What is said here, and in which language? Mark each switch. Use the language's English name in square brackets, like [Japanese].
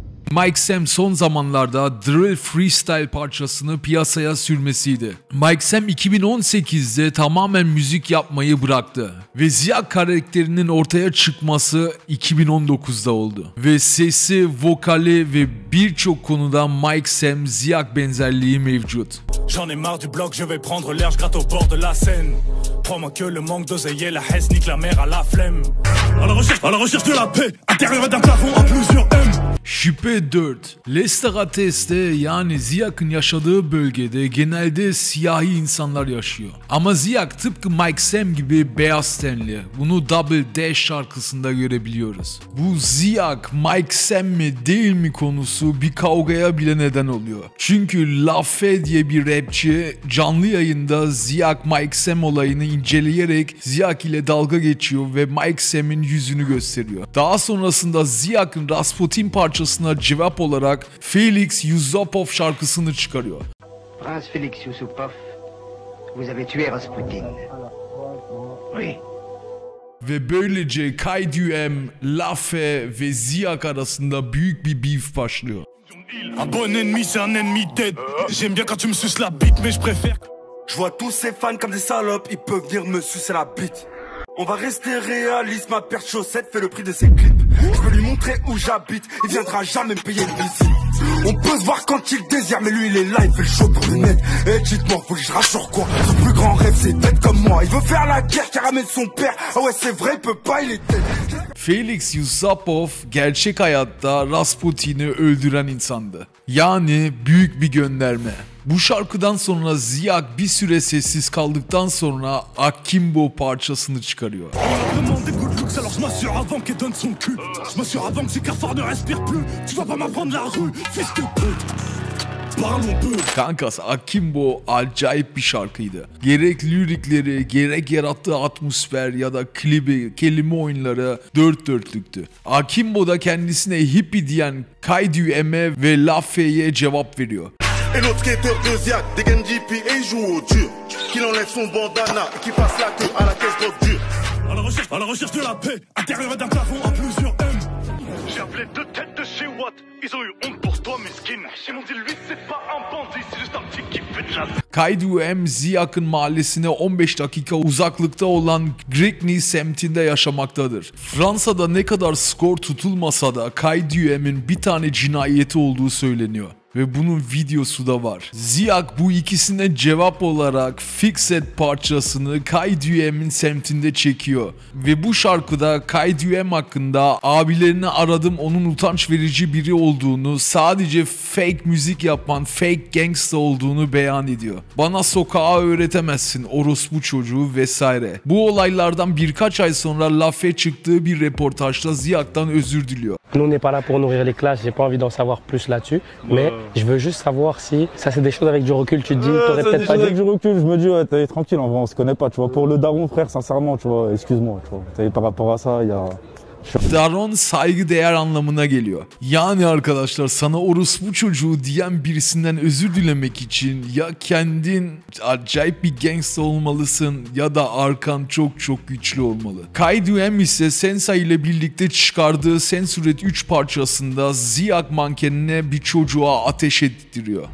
[Turkish] Mike Sam son zamanlarda drill freestyle parçasını piyasaya sürmesiydi. Mike Sam 2018'de tamamen müzik yapmayı bıraktı ve Ziyak karakterinin ortaya çıkması 2019'da oldu. Ve sesi, vokali ve birçok konuda Mike Sam Ziyak benzerliği mevcut. [French] J'en ai marre du bloc, je vais prendre l'air, je gratte au bord de la scène. Crois-moi que le manque d'oseille et la haine nique la mer à la flemme. À la recherche de la paix, intérieur d'un plafond à plusieurs M. [Turkish] Şüphe 4. Lester Ateste, yani Ziyak'ın yaşadığı bölgede genelde siyahi insanlar yaşıyor. Ama Ziyak tıpkı Mike Sam gibi beyaz tenli. Bunu Double Dash şarkısında görebiliyoruz. Bu Ziyak, Mike Sam mi değil mi konusu bir kavgaya bile neden oluyor. Çünkü Laffe diye bir rapçi canlı yayında Ziyak Mike Sam olayını inceleyerek Ziyak ile dalga geçiyor ve Mike Sam'in yüzünü gösteriyor. Daha sonrasında Ziyak'ın Rasputin parçasına cevap olarak Felix Yusupov şarkısını çıkarıyor. [French] Prens Felix Yusupov, vous avez tué Rasputin. Oui. [Turkish] Ve böylece Kaydüem, Laffe ve Ziyak arasında büyük bir beef başlıyor. [French] Bon ennemi, c'est un ennemi dead. J'aime bien quand tu me suces la bite, mais je préfère. Je vois tous ces fans comme des salopes, ils peuvent venir me sucer la bite. On va rester réaliste, ma paire de chaussettes fait le prix de ses clips. Je peux lui montrer où j'habite, il viendra jamais me payer une visite. On peut se voir quand il désire, mais lui il est là, il fait le show pour le net. Et dites-moi, faut que je rassure quoi? Son plus grand rêve, c'est d'être comme moi. Il veut faire la guerre, qui ramène son père. Ah ouais, c'est vrai, il peut pas, il est dead. [Turkish] Felix Yusupov gerçek hayatta Rasputin'i öldüren insandı. Yani büyük bir gönderme. Bu şarkıdan sonra Ziyak bir süre sessiz kaldıktan sonra Akimbo parçasını çıkarıyor. [French] Alors je m'assure avant qu'elle donne son cul. Je m'assure avant que ces cafards ne respirent plus. Tu vas pas m'apprendre la rue, fils de pute. [Turkish] Kankas, Akimbo acayip bir şarkıydı. Gerek lirikleri, gerek yarattığı atmosfer ya da klibi, kelime oyunları dört dörtlüktü. Akimbo da kendisine hippie diyen Kaydüem'e ve Laffe'ye cevap veriyor. [French] Et notre skater de Ziyak dégaine JP et il joue au dur. Qu'il enlève son bandana et qu'il passe la queue à la caisse drogue dure. À la recherche de la paix, intérieur d'un plafond à plusieurs M. J'ai appelé deux têtes de chez Watt. Ils ont eu honte pour toi, miskin. Ils m'ont dit, lui, c'est pas un bandit, c'est juste un petit qui fait de jazz. [Turkish] Kaydüem, Ziyak'ın mahallesine 15 dakika uzaklıkta olan Grigny semtinde yaşamaktadır. Fransa'da ne kadar skor tutulmasa da Kaydüem'in bir tane cinayeti olduğu söyleniyor. Ve bunun videosu da var. Ziyak bu ikisine cevap olarak Fixed parçasını Kaydüem'in semtinde çekiyor. Ve bu şarkıda Kaydüem hakkında abilerini aradım, onun utanç verici biri olduğunu, sadece fake müzik yapan fake gangster olduğunu beyan ediyor. Bana sokağa öğretemezsin orospu çocuğu vesaire. Bu olaylardan birkaç ay sonra Laffe çıktığı bir reportajda Ziyak'tan özür diliyor. [French] Nous n'est pas là pour nourrir les classes, j'ai pas envie d'en savoir plus là-dessus, mais je veux juste savoir si ça c'est des choses avec du recul, tu te dis, t'aurais peut-être pas dit. Avec du recul, je me dis, ouais, t'es tranquille, on se connaît pas, tu vois, pour le daron frère, sincèrement, tu vois, excuse-moi, tu vois, t'es, par rapport à ça, il y a... [Turkish] Daron saygıdeğer anlamına geliyor. Yani arkadaşlar, sana orospu çocuğu diyen birisinden özür dilemek için ya kendin acayip bir gangster olmalısın ya da arkan çok çok güçlü olmalı. Kaydüem ise Sensei ile birlikte çıkardığı Sensuret 3 parçasında Ziyak mankenine bir çocuğa ateş ettiriyor.